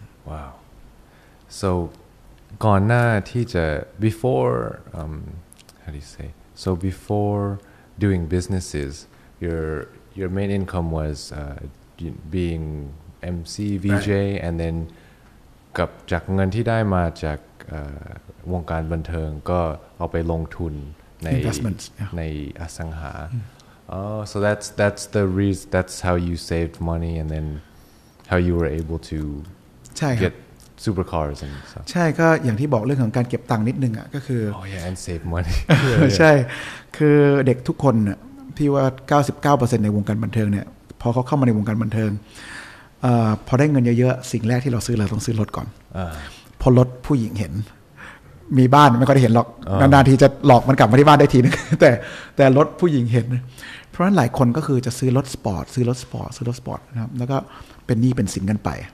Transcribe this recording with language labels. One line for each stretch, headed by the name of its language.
Thai: ว้าว
English: so
Thai: ก่อนหน้าที่จะ
English: before how do you say so before doing businesses your main income was being MC, VJ, right. And then
Thai: กับจากเงินที่ได้มาจาก วงการบันเทิงก็เอาไปลงทุนใน
English: investments yeah.
Thai: ในอสังหา
English: oh so that's the reason that's how you saved money and then how you were able to get supercars and stuff
Thai: ใช่ก็อย่างที่บอกเรื่องของการเก็บตังค์นิดนึงอ่ะก็คือ
English: oh yeah and save money
Thai: ใช่คือเด็กทุกคนที่ว่า 99% ในวงการบันเทิงเนี่ยพอเขาเข้ามาในวงการบันเทิงพอได้เงินเยอะๆสิ่งแรกที่เราซื้อเราต้องซื้อรถก่อนพอรถผู้หญิงเห็นมีบ้านไม่ค่อยได้เห็นหรอกนานๆทีจะหลอกมันกลับมาที่บ้านได้ทีนึงแต่รถผู้หญิงเห็นเพราะฉะนั้นหลายคนก็คือจะซื้อรถสปอร์ตซื้อรถสปอร์ตนะครับแล้วก็เป็นหนี้เป็นสินกันไป